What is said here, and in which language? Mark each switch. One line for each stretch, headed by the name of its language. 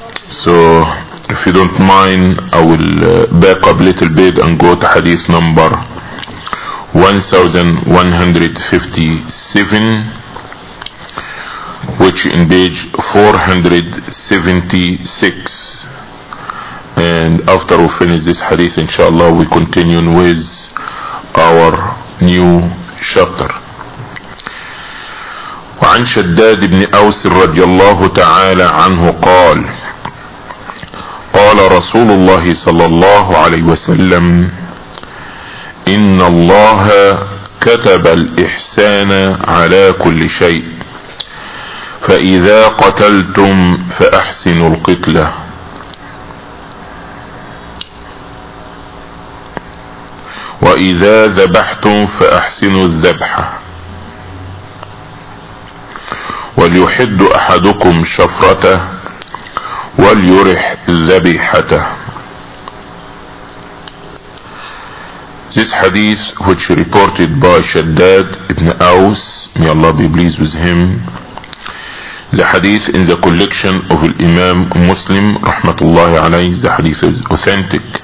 English: So if you don't mind, I will back up a little bit and go to hadith number 1157, which in page 476, and after we finish this hadith, inshallah, we continue with our new chapter.
Arabic: وعن شداد بن أوس رضي الله تعالى عنه قال قال رسول الله صلى الله عليه وسلم إن الله كتب الإحسان على كل شيء فإذا قتلتم فأحسنوا القتلة. وإذا ذبحتم فأحسنوا الذبحة. وليحد أحدكم شفرته وليرح ذبيحته.
English: This hadith, which reported by Shaddad ibn Aus, may Allah be pleased with him, the hadith in the collection of Imam Muslim, rahmatullahi alayhi, the hadith is authentic.